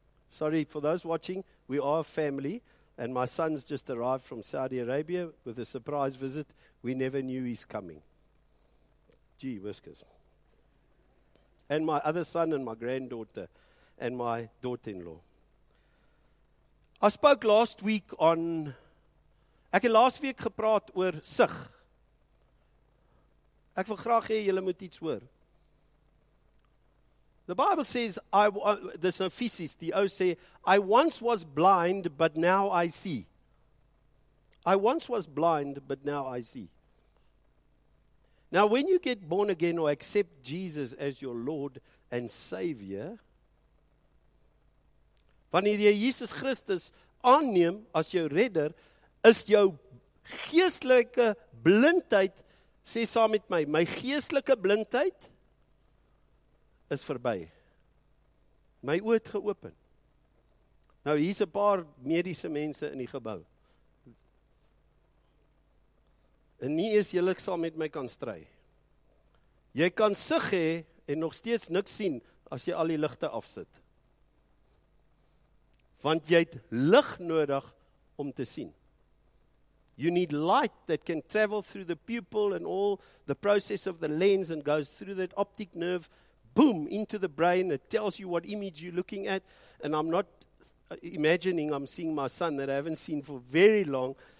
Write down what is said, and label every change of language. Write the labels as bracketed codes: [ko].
[en] Sorry, for those watching, we are a family, and my son's just arrived from Saudi Arabia with a surprise visit. We never knew he's coming. Gee, whiskers. And my other son and my granddaughter and my daughter-in-law. I spoke last week on... [af] Ek het [en] last week [af] gepraat oor sig. Ek wil graag hê julle moet iets hoor. [en] The Bible says, there's no physis, the O say, I once was blind, but now I see. I once was blind, but now I see. Now, when you get born again or accept Jesus as your Lord and Savior, [af] wanneer jy Jesus Christus aanneem as jou redder, is jou geestelike blindheid, sê saam met my, my geestelike blindheid is verby. My oë het geopen. Nou, hier's 'n paar mediese mense in die gebou. En nie eens julle saam met my kan stry. Jy kan sig hê en nog steeds niks sien as jy al die ligte afsit. Want jy het lig nodig om te sien. [en] You need light that can travel through the pupil and all the process of the lens and goes through that optic nerve, boom, into the brain. It tells you what image you're looking at. And I'm not imagining I'm seeing my son that I haven't seen for very long.